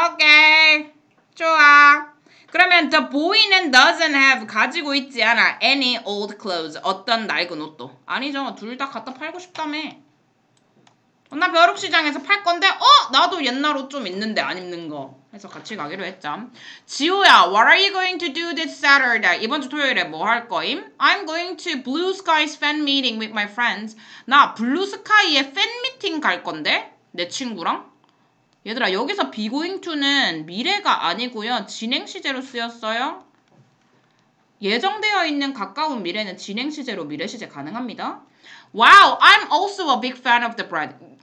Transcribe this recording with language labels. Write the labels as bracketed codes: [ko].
[ko] 오케이. 좋아. 그러면 [en] the boy [ko] 는 [en] doesn't have, [ko] 가지고 있지 않아, [en] any old clothes, [ko] 어떤 낡은 옷도. 아니죠. 둘 다 갖다 팔고 싶다며. 나 벼룩시장에서 팔 건데, 어? 나도 옛날 옷 좀 있는데, 안 입는 거. 해서 같이 가기로 했죠. [en] 지호야, what are you going to do this Saturday? [ko] 이번 주 토요일에 뭐 할 거임? [en] I'm going to Blue Sky's fan meeting with my friends. [ko] 나 블루스카이의 팬 미팅 갈 건데, 내 친구랑. 얘들아, 여기서 [en] be going to [ko] 는 미래가 아니고요. 진행시제로 쓰였어요. 예정되어 있는 가까운 미래는 진행시제로 미래시제 가능합니다. [en] Wow, I'm also a big fan of the band.